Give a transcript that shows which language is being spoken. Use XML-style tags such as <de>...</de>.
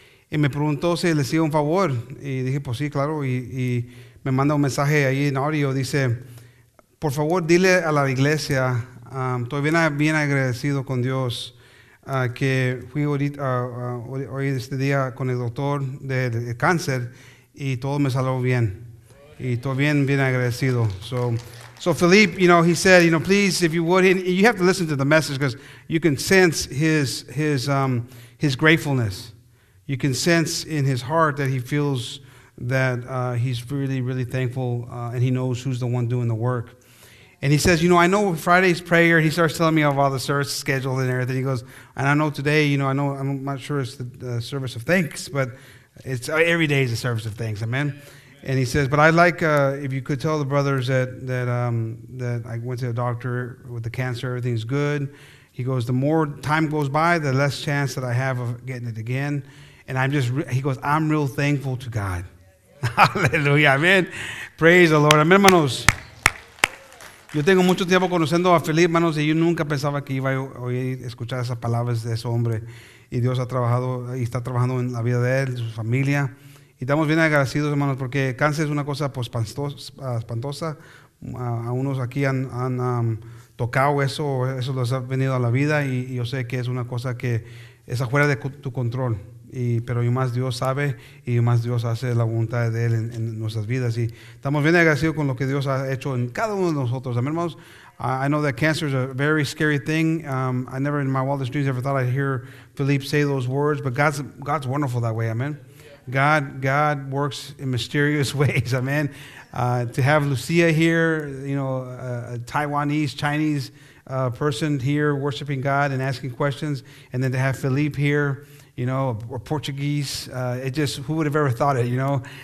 <es>Y me preguntó si le hacía un favor. Y dije, pues sí, claro. Y me manda un mensaje ahí en audio. Dice, por favor, dile a la iglesia, estoy bien agradecido con Dios, que fui hoy este día con el doctor del cáncer y todo me salió bien. Y todo bien, bien agradecido.</es> <en>So Philippe, you know, he said, you know, please, if you would, and you have to listen to the message because you can sense his gratefulness. You can sense in his heart that he feels that he's really, really thankful and he knows who's the one doing the work. And he says, you know, I know Friday's prayer. He starts telling me of all the service scheduled and everything. He goes, and I know today, you know, I'm not sure it's the service of thanks, but it's every day is a service of thanks. Amen. And he says, but I'd like if you could tell the brothers that I went to the doctor with the cancer, everything's good. He goes, the more time goes by, the less chance that I have of getting it again. And I'm just, he goes, I'm real thankful to God. Hallelujah, amen. Praise the Lord. Amen, hermanos.</en> <es>Yo tengo mucho tiempo conociendo a Felipe, hermanos, y yo nunca pensaba que iba a oír escuchar esas palabras de ese hombre. Y Dios ha trabajado y está trabajando en la vida de él, de su familia. Y estamos bien agradecidos, hermanos, porque cáncer es una cosa espantosa. A unos aquí han tocado eso les ha venido a la vida, y yo sé que es una cosa que es afuera de tu control. Pero y más Dios sabe, y más Dios hace la voluntad de Él en nuestras vidas. Y estamos bien agradecidos con lo que Dios ha hecho en cada uno de nosotros. Amén, hermanos.</es> <en>I know that cancer is a very scary thing. I never in my wildest dreams ever thought I'd hear Philippe say those words, but God's wonderful that way, amen. God works in mysterious ways, amen. To have Lucia here, you know, a Taiwanese, Chinese person here worshiping God and asking questions, and then to have Philippe here, you know, or Portuguese, it just, who would have ever thought it, you know?</en>